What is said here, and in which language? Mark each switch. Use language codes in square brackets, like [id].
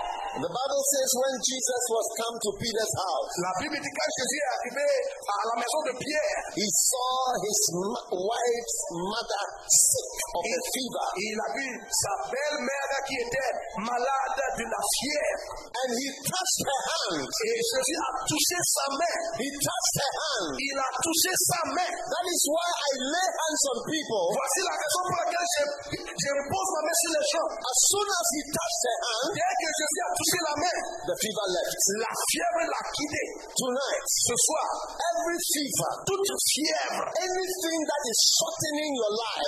[en] The Bible says when Jesus was come to Peter's house, [fr] la Bible dit quand Jésus est arrivé à la maison de Pierre, [en] he saw his wife's mother sick of a fever. [fr] Il a vu sa belle-mère qui était malade de la fièvre. [en] And he touched her hand. [fr] Et Jésus a touché sa main. [en] He touched her hand. [fr] Il a touché sa main. [en] That is why I lay hands on people. [fr] Voici la raison pour laquelle je repose ma main sur les gens. [en] As soon as he touched her hand, [fr] dès que Jésus a touché la main, [en] the fever left. [fr] La fièvre l'a quitté. [en] Tonight, [fr] ce soir, [en] every fever, [fr] toute fièvre, [en] anything that is shortening your life,